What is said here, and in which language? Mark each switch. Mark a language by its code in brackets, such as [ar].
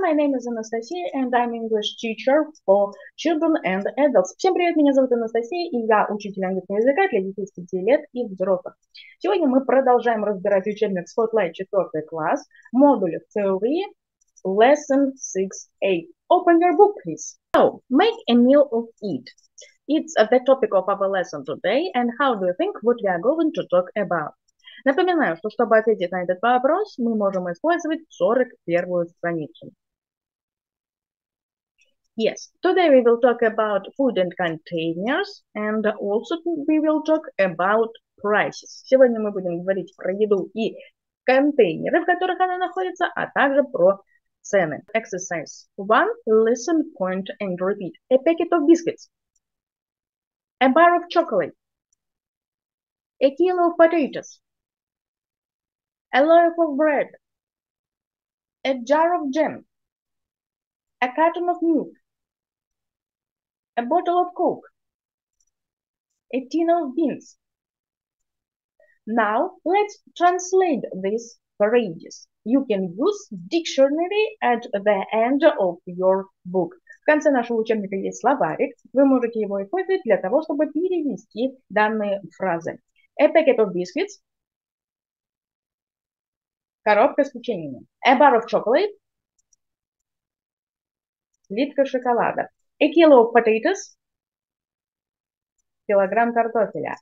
[en] My name is Anastasia, and I'm English teacher for children and adults. [ru] Всем привет, меня зовут Анастасия, и я учитель английского языка для детей с 5 лет и взрослых. Сегодня мы продолжаем разбирать учебник Spotlight 4 класс, модуль Theory, Lesson 6A. [en] Open your book, please. So, make a meal of it. It's the topic of our lesson today, and how do you think what we are going to talk about? [ru] Напоминаю, что чтобы ответить на этот вопрос, мы можем использовать 41-ю страницу. [en] Yes, today we will talk about food and containers, and also we will talk about prices. [ru] Сегодня мы будем говорить про еду и контейнеры, в которых она находится, а также про цены. [en] Exercise 1. Listen, point and repeat. A packet of biscuits. A bar of chocolate. A kilo of potatoes. A loaf of bread, a jar of jam, a carton of milk, a bottle of Coke, a tin of beans. Now, let's translate these phrases. You can use dictionary at the end of your book. [ru] В конце нашего учебника есть словарик. Вы можете его использовать для того, чтобы перевести данные фразы. [en] A packet of biscuits. [ru] Коробка с печеньями. [en] A bar of chocolate. [ru] Плитка шоколада. [en] A kilo of potatoes. [ru] Килограмм картофеля.